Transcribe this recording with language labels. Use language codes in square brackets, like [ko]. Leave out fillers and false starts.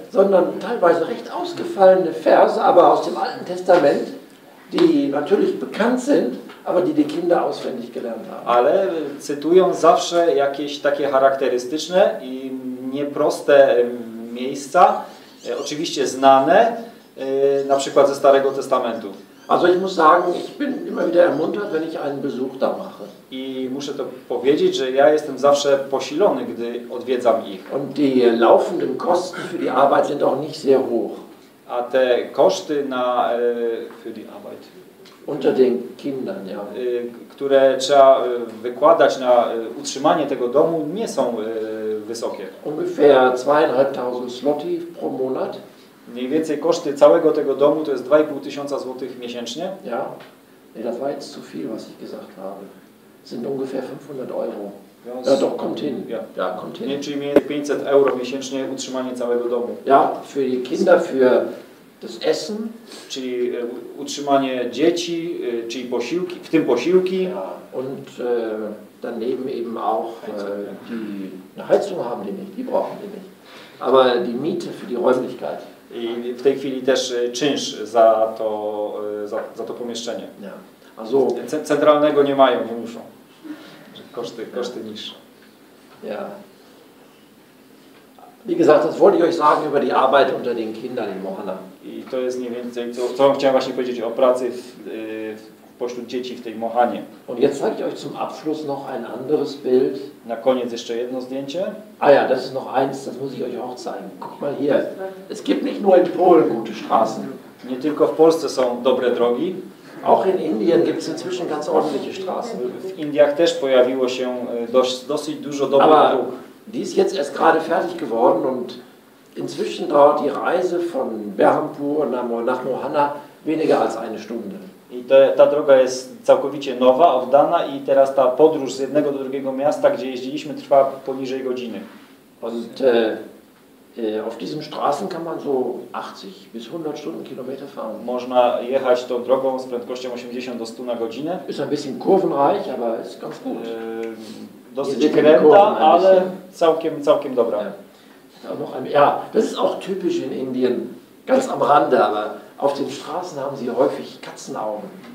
[de] sondern teilweise recht ausgefallene Verse, aber aus dem Alten Testament, die natürlich bekannt sind, aber die Kinder auswendig gelernt haben. [pl] Ale cytują zawsze jakieś takie charakterystyczne i nieproste miejsca, oczywiście znane, na przykład ze Starego Testamentu. [de] Also ich muss sagen, ich bin immer wieder ermuntert, wenn ich einen Besuch da mache. [pl] I muszę to powiedzieć, że ja jestem zawsze posilony, gdy odwiedzam ich. [de] Und die laufenden Kosten für die Arbeit sind auch nicht sehr hoch. [pl] A te koszty na [de] für die Arbeit unter den Kindern, ja. [pl] Które trzeba wykładać na utrzymanie tego domu, nie są wysokie. [de] Ungefähr 2500 zloty pro Monat. [pl] Mniej więcej koszty całego tego domu to jest 2500 zł miesięcznie. [de] Ja. Nee, das war jetzt zu viel, was ich gesagt habe. Sind ungefähr 500 euro. Ja, doch, kommt hin. Ja, ja, kommt hin. [pl] Nie, czyli mniej 500 euro miesięcznie utrzymanie całego domu. [de] Ja, für die Kinder, für das Essen. [pl] Czyli utrzymanie dzieci, czyli posiłki, w tym posiłki. [de] Ja, und daneben eben auch die Heizung haben die nicht, die brauchen die nicht. Aber die Miete für die Räumlichkeit. [pl] I w tej chwili też czynsz za to pomieszczenie. [de] Ja. [pl] Centralnego nie mają, nie muszą. Koszty niższe. [de] Ja. Wie gesagt, das wollte ich euch sagen über die Arbeit unter den Kindern in Mohana. [pl] I to jest mniej więcej, co chciałem właśnie powiedzieć o pracy pośród dzieci w tej Mohanie. [de] Und jetzt zeige ich euch zum Abschluss noch ein anderes Bild. [pl] Na koniec jeszcze jedno zdjęcie. [de] Ah ja, das ist noch eins, das muss ich euch auch zeigen. Guck mal hier. Es gibt nicht nur in Polen gute Straßen. [pl] Nie tylko w Polsce są dobre drogi. [de] Auch in Indien gibt es inzwischen ganz ordentliche Straßen. [pl] W Indiach też pojawiło się dosyć dużo dobrych dróg. [de] Die ist jetzt erst gerade fertig geworden und inzwischen dauert die Reise von Berhampur nach Mohana weniger als eine Stunde. [pl] I ta droga jest całkowicie nowa, oddana i teraz ta podróż z jednego do drugiego miasta, gdzie jeździliśmy, trwa poniżej godziny. [de] Und Auf diesen Straßen kann man so 80 bis 100 Stundenkilometer fahren. [pl] Można jechać tą drogą z prędkością 80 do 100 na godzinę. [de] Ist ein bisschen kurvenreich, aber ist ganz gut. [pl] Dosyć kręta, ale całkiem dobra. [de] Ja, das ist auch typisch in Indien. Ganz am Rande, aber auf den Straßen haben sie häufig Katzenaugen.